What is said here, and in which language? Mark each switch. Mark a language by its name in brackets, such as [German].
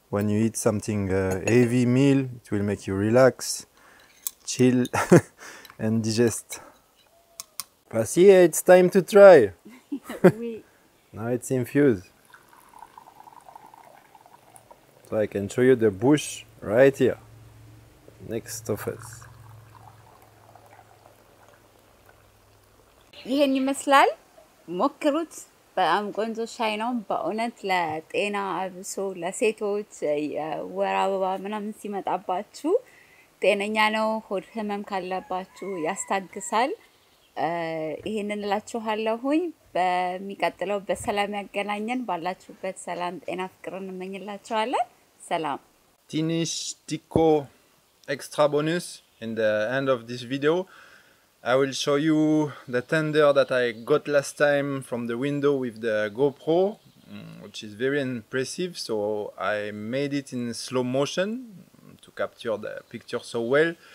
[English] When you eat something heavy meal, it will make you relax, chill and digest. Fasi, it's time to try. Now it's infused. So I can show you the bush right here, next to us. [Amharic] ይሄን ይመስላል። ሞክሩት። በጣም ቆንጆ ሻይ ነው በእውነት። ለጤና አብሶ ለሴቶች ወር አበባ ምናምን ሲመጣባችሁ ጤነኛ ነው። ሆድ ህመም ካለባችሁ ያስታግሳል። ይሄንን ላችኋለሁኝ። በሚቀጥለው በሰላም ያገናኘን። ባላችሁበት ሰላም ጤና ፍቅርን እንመኝላችኋለን። ሰላም። ትንሽ ቲኮ [English] ኤክስትራ ቦኑስ ኢን ዘ ኤንድ ኦፍ ዲስ ቪዲዮ I will show you the tender that I got last time from the window with the GoPro, which is very impressive. So I made it in slow motion to capture the picture so well.